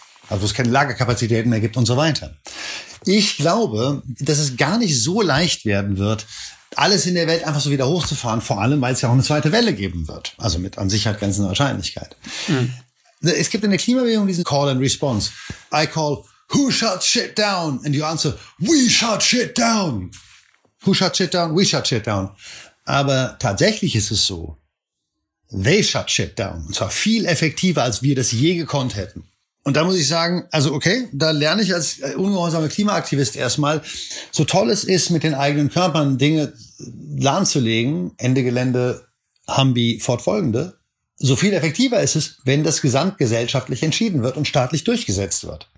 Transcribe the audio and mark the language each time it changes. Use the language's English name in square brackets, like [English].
[German] Also wo es keine Lagerkapazitäten mehr gibt und so weiter. Ich glaube, dass es gar nicht so leicht werden wird, alles in der Welt einfach so wieder hochzufahren, vor allem, weil es ja auch eine zweite Welle geben wird. Also mit an Sicherheit grenzender Wahrscheinlichkeit. Mhm. Es gibt in der Klimabewegung diesen Call and Response. [English] I call, who shut shit down? And you answer, we shut shit down. Who shut shit down? We shut shit down. [German] Aber tatsächlich ist es so, [English] they shut shit down. [German] Und zwar viel effektiver, als wir das je gekonnt hätten. Und da muss ich sagen, also okay, da lerne ich als ungehorsamer Klimaaktivist erstmal, so toll es ist, mit den eigenen Körpern Dinge lahmzulegen, Ende Gelände, Hambi, fortfolgende, so viel effektiver ist es, wenn das gesamtgesellschaftlich entschieden wird und staatlich durchgesetzt wird.